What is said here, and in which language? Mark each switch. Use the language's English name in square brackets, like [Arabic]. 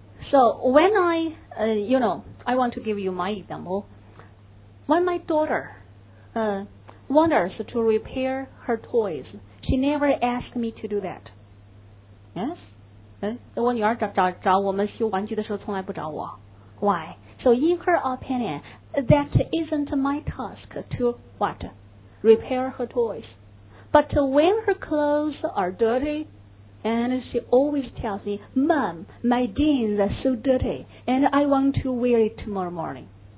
[English] So when I, you know, I want to give you my example. When my daughter wanders to repair her toys, she never asked me to do that. Yes? [Chinese] 我女儿找我们修玩具的时候从来不找我。 [English] Why? So in her opinion, that isn't my task to what? Repair her toys. But when her clothes are dirty,And she always tells me, Mom, my jeans are so dirty, and I want to wear it tomorrow morning.